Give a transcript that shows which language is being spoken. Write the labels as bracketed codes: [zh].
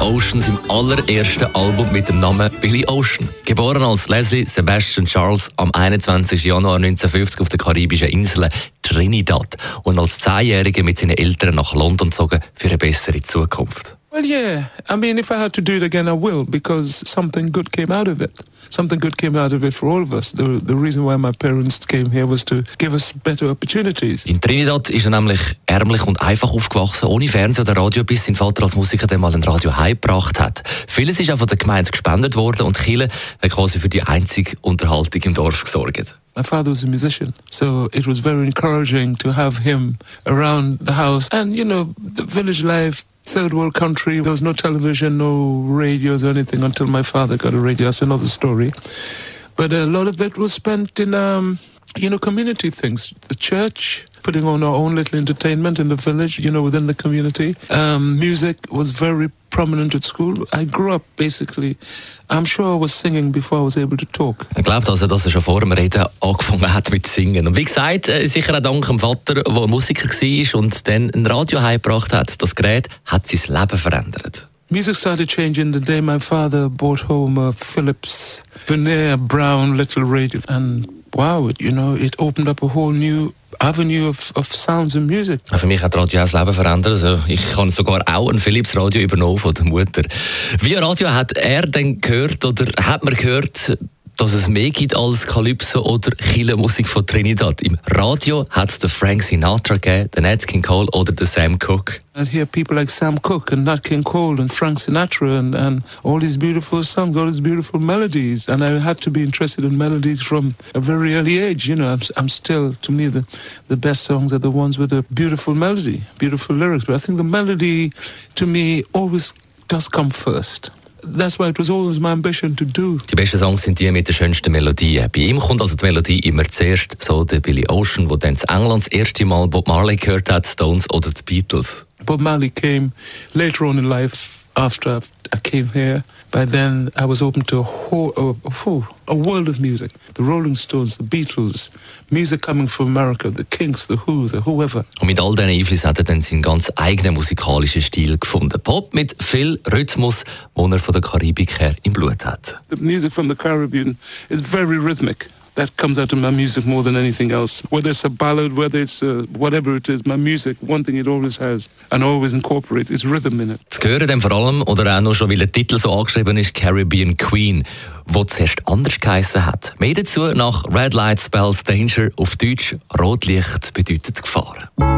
[de] Seinem allerersten Album mit dem Namen Billy Ocean. Geboren als Leslie Sebastian Charles am 21. Januar 1950 auf der karibischen Insel Trinidad und als 10-Jähriger mit seinen Eltern nach London gezogen für eine bessere Zukunft. [en] Well, yeah. I mean, if I had to do it again, I will, because something good came out of it. Something good came out of it for all of us. The reason why my parents came here was to give us better opportunities. [de] In Trinidad ist er nämlich ärmlich und einfach aufgewachsen, ohne Fernseher oder Radio, bis sein Vater als Musiker dann mal ein Radio heimgebracht hat. Vieles ist auch von der Gemeinde gespendet worden und Kirche hat quasi für die einzige Unterhaltung im Dorf gesorgt. [en] My father was a musician, so it was very encouraging to have him around the house. And, you know, the village life, third world country, there was no television, no radios or anything until my father got a radio. That's another story. But a lot of it was spent in, you know, community things. The church, putting on our own little entertainment in the village, you know, within the community. Music was very prominent at school. I grew up basically, I'm sure I was singing before I was able to talk. [de] Er glaubt also, dass er schon vor dem Reden angefangen hat mit Singen. Und wie gesagt, sicher auch dank dem Vater, der Musiker war und dann ein Radio heimgebracht hat. Das Gerät hat sein Leben verändert. [en] Music started changing the day my father bought home a Philips Vanier Brown little radio and wow, you know, it opened up a whole new avenue of sounds and music. [de] Für mich hat Radio das Leben verändert. Also ich habe sogar auch ein Philips Radio übernommen von der Mutter. Wie Radio hat er denn gehört oder hat man gehört, dass es mehr gibt als Kalypso oder Kirchenmusik von Trinidad? Im Radio hat es Frank Sinatra gegeben, den Nat King Cole oder den Sam Cooke. [en] I hear people like Sam Cooke and Nat King Cole and Frank Sinatra and all these beautiful songs, all these beautiful melodies. And I had to be interested in melodies from a very early age. You know, I'm still, to me, the best songs are the ones with a beautiful melody, beautiful lyrics. But I think the melody, to me, always does come first. That's why it was always my ambition to do. [de] Die besten Songs sind die mit den schönsten Melodien. Bei ihm kommt also die Melodie immer zuerst, so der Billy Ocean, wo dann in England das erste Mal Bob Marley gehört hat, Stones oder The Beatles. [en] Bob Marley came later on in life, after I came here. By then I was open to a world of music. The Rolling Stones, The Beatles, music coming from America, The Kinks, The Who, The Whoever. [de] Und mit all diesen Einflüssen hat er dann seinen ganz eigenen musikalischen Stil gefunden. Pop mit viel Rhythmus, den er von der Karibik her im Blut hat. [en] The music from the Caribbean is very rhythmic. That comes out of my music more than anything else. Whether it's a ballad, whether it's whatever it is, my music, one thing it always has and always incorporates is rhythm in it. [de] Zu hören dann vor allem, oder auch nur schon, weil der Titel so angeschrieben ist, Caribbean Queen, wo zuerst anders geheissen hat. Mehr dazu nach Red Light Spells Danger, auf Deutsch Rotlicht bedeutet Gefahr.